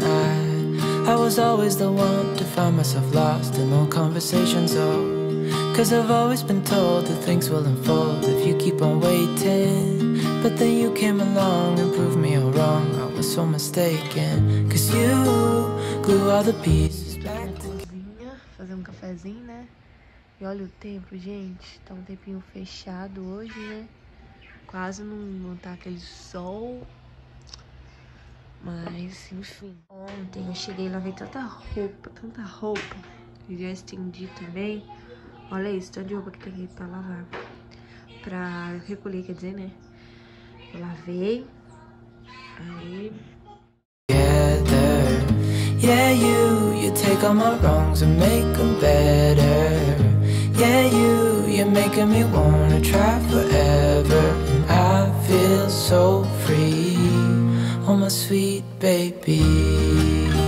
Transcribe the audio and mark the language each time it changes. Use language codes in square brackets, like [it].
[en] I was always the one to find myself lost in long conversations, oh. Cause I've always been told that things will unfold if you keep on waiting. But then you came along and proved me all wrong. I was so mistaken. Cause you glue all the pieces back together. [pt] Fazer um cafezinho, né? E olha o tempo, gente. Tá um tempinho fechado hoje, né? Quase não tá aquele sol. Mas, enfim, ontem eu cheguei e lavei tanta roupa, e já estendi também. Olha isso, tanto de roupa que tem pra lavar, pra recolher, quer dizer, né? Eu lavei, aí... [en] Together, yeah, you take all my wrongs and make them better. Yeah, you're making me wanna try forever. I feel so free. Oh, my sweet baby.